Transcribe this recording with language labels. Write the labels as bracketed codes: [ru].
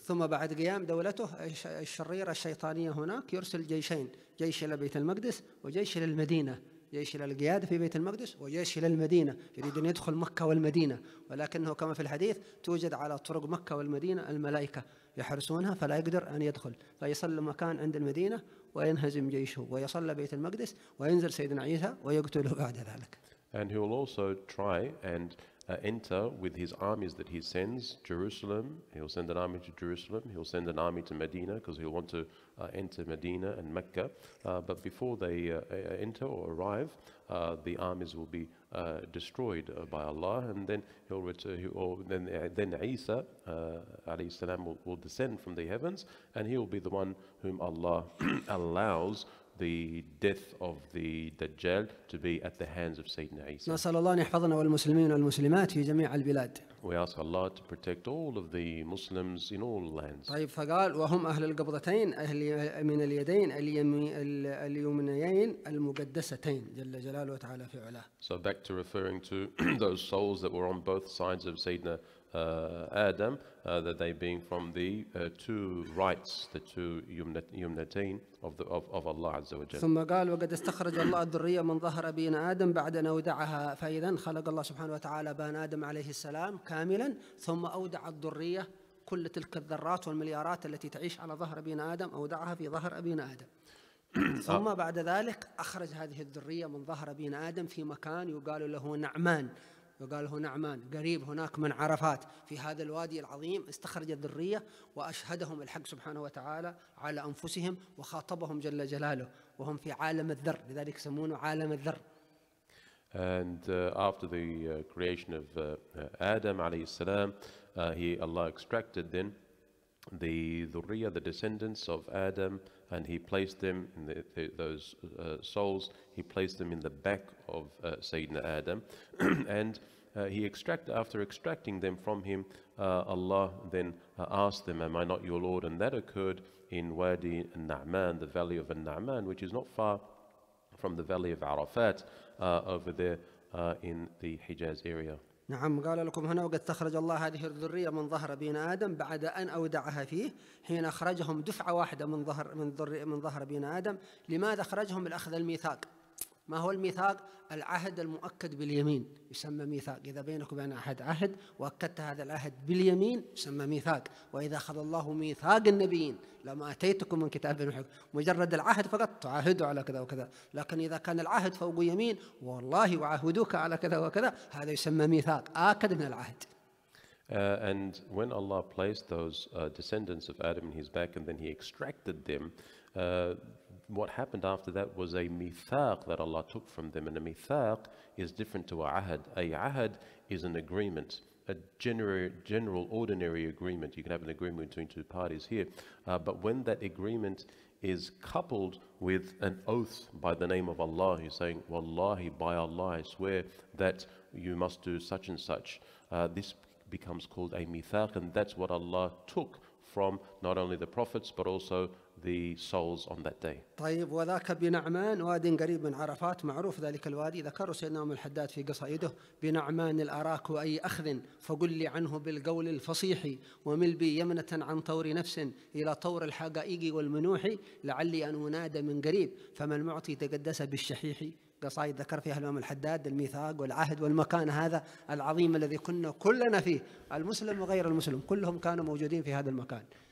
[ar] ثم بعد قيام دولته الشريرة الشيطانية هناك يرسل جيشين جيش لبيت المقدس وجيش للمدينة جيش للقيادة في بيت المقدس وجيش للمدينة يريد أن يدخل مكة والمدينة ولكنه كما في الحديث توجد على طرق مكة والمدينة الملائكة يحرسونها فلا يقدر أن يدخل فيصل مكان عند المدينة وينهزم جيشه ويصل بيت المقدس وينزل سيدنا عيسى ويقتله بعد ذلك. [en] And he will also try and enter with his armies that he sends Jerusalem. He'll send an army to Jerusalem. He'll send an army to Medina because he'll want to enter Medina and Mecca. But before they enter or arrive, the armies will be destroyed by Allah, and then he'll return. Then Isa, alayhi salam, will descend from the heavens, and he will be the one whom Allah allows the death of the Dajjal to be at the hands of Sayyidina Isa. [ar] نسأل الله أن يحفظنا والمسلمين والمسلمات في جميع البلاد. [en] We ask Allah to protect all of the Muslims in all lands. [ar] طيب فقال وهم أهل القبضتين أهل من اليدين اليمنيين المقدستين جل جلاله وتعالى في علاه. [en] So back to referring to those souls that were on both sides of Sayyidina Adam, that they being from the two rights, the two yumnatain of Allah Azza wa Jalla. [ar] ثم قال وقد استخرج الله الذرية من ظهر أبينا آدم بعد أن أودعها فإذا خلق الله سبحانه وتعالى بان آدم عليه السلام كاملا ثم أودع الذرية كل تلك الذرات والمليارات التي تعيش على ظهر أبينا آدم أودعها في ظهر أبينا آدم ثم بعد ذلك أخرج هذه الذرية من ظهر أبينا آدم في مكان يقال له نعمان وقال هو نعمان قريب هناك من عرفات في هذا الوادي العظيم استخرج الذرية وأشهدهم الحق سبحانه وتعالى على أنفسهم وخاطبهم جل جلاله وهم في عالم الذر لذلك يسمونه عالم الذر. [en] And after the creation of Adam [ar] عليه السلام, [en] Allah extracted then the dhurriyah, the descendants of Adam, and he placed them in those souls, he placed them in the back of Sayyidina Adam and after extracting them from him, Allah then asked them, am I not your Lord? And that occurred in Wadi al-Na'man, the valley of al-Na'man, which is not far from the valley of Arafat over there in the Hijaz area. [ar] نعم قال لكم هنا وقد استخرج الله هذه الذرية من ظهر أبينا آدم بعد أن أودعها فيه حين أخرجهم دفعة واحدة من ظهر أبينا آدم لماذا أخرجهم لأخذ الميثاق ما هو الميثاق العهد المؤكد باليمين يسمى ميثاق إذا بينك وبين أحد عهد وأكدت هذا العهد باليمين يسمى ميثاق وإذا أخذ الله ميثاق النبيين لما أتيتكم من كتاب الحق مجرد العهد فقط تعهدوا على كذا وكذا لكن إذا كان العهد فوق يمين والله وعهدوك على كذا وكذا هذا يسمى ميثاق آكد من العهد. [en] And when Allah placed those descendants of Adam in his back and then he extracted them, what happened after that was a mithaq that Allah took from them, and a mithaq is different to a ahad. A ahad is an agreement, a general ordinary agreement. You can have an agreement between two parties here, but when that agreement is coupled with an oath by the name of Allah, you're saying, wallahi, by Allah, I swear that you must do such and such, this becomes called a mithaq, and that's what Allah took from not only the prophets but also the souls on that day. [ar] طيب وذاك بنعمان واد قريب من عرفات معروف ذلك الوادي ذكر سيدنا أم الحداد في قصائده بنعمان الأراك أي أخذ فقل لي عنه بالقول الفصيح ومل بي يمنة عن طور نفس إلى طور الحقائق والمنوح لعلي أن أنادى من قريب فما المعطي تقدس بالشحيح قصائد ذكر فيها الإمام الحداد الميثاق والعهد والمكان هذا العظيم الذي كنا كلنا فيه المسلم وغير المسلم كلهم كانوا موجودين في هذا المكان.